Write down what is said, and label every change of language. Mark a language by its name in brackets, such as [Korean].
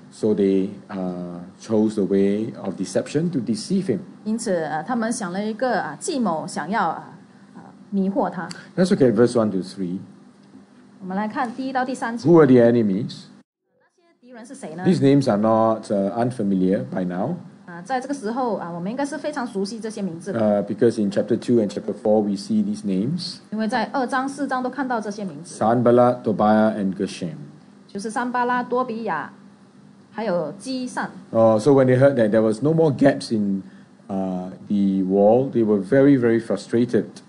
[English] So they chose the way of deception to deceive him. [Chinese] 因此他们想了一个计谋，想要。 [English] Let's look at verse 1 to 3. [Chinese] 我们来看第一到第三节。 [English] Who are the enemies? [Chinese] 那些敌人是谁呢? [English] These names are not unfamiliar by now. [Chinese] 在这个时候，我们应该是非常熟悉这些名字的。 [English] Because in chapter 2 and chapter 4, we see these names. [Chinese] 因为在2章、4章都看到这些名字。 [English] Sanballat, Tobiah, and Geshem. [Chinese] 就是桑巴拉、多比亚，还有基善。 [English] So when they heard that there was no more gaps in the wall, they were very, very frustrated.